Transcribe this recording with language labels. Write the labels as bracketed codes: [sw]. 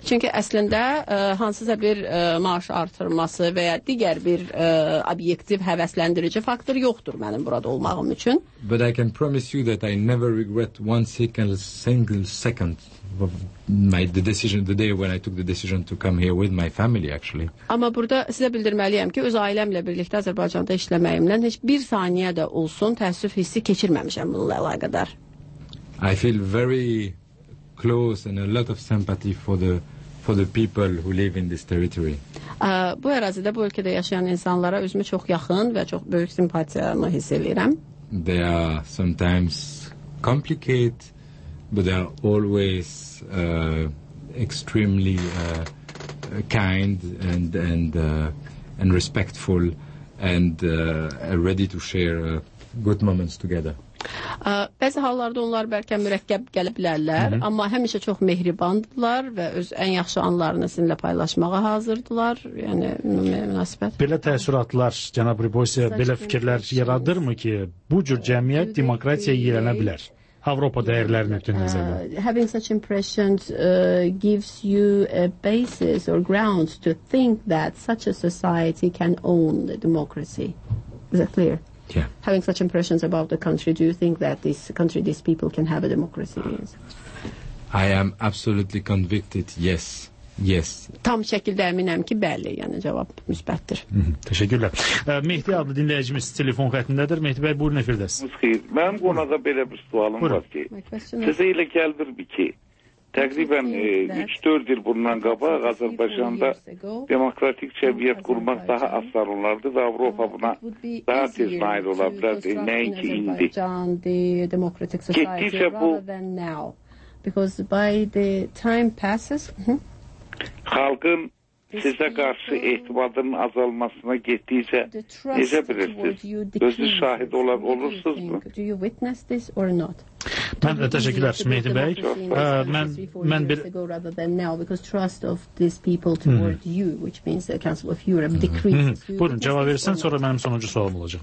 [az] Çünki əslində hansısa bir maaş artırması və ya digər bir obyektiv həvəsləndirici faktor yoxdur mənim burada olmağım üçün. [en] But I can promise you that I never regret one single second of the day when I took the decision to come here with my family actually. [az] Amma burada sizə bildirməliyəm ki, öz ailəmlə birlikdə Azərbaycanda işləməyimdən heç bir saniyə də olsun təəssüf hissi keçirməmişəm bununla əlaqədar. [en] I feel very close and a lot of sympathy for the people who live in this territory. [az] Bu ərazidə, bu ölkədə yaşayan insanlara özümü çox yaxın və çox böyük simpatiyamı hiss edirəm. [en] They are sometimes complicated, but they are always extremely kind and respectful and ready to share good moments together. [az] Bəzi hallarda onlar bəlkə mürəkkəb gələ bilərlər, amma həmişə çox mehribandılar və öz ən yaxşı anlarını sizinlə paylaşmağa hazırdılar. Yəni, münasibət. Belə təəssüratlar, cənab Ribosiya, belə fikirlər yaradır mı ki, bu cür cəmiyyət demokratiya yiyələnə bilər? Avropa dəyərlərini ötün nəzərdə. [en] Having such impressions gives you a basis or grounds to think that such a society can own the democracy. Is that clear? Yeah. Having such impressions about the country, do you think that this country, these people can have a democracy? I am absolutely convicted, yes. Yes. [az] Tam şəkildə əminəm ki, bəli, yəni cavab müsbətdir. Təşəkkürlər. Mehdi adlı dinləyicimiz telefon xəttindədir. Mehdi bəy, buyurun efirdəsiniz. Xeyr. Mənim qonağa belə bir sualım var ki, sizə elə gəlir ki, təqribən 3-4 il bundan qabaq Azərbaycanda demokratik cəmiyyət qurmaq daha asan olardı və Avropa buna daha tez nail ola bilərdi. Nəinki indi. Getdikcə bu... [en] Because by the time passes... [az] Xalqın sizə qarşı ehtimadının azalmasına getdikcə necə bilirsiniz? Özü şahid olursunuz mu? [en] Do you witness this or not? [az] Mən təşəkkürlər, Mehdi bəy. Mən bir [en] because trust of these people toward you, which means the council of Europe decreases. [az] Buyurun, cavab versən sonra mənim sonuncu sualım olacaq.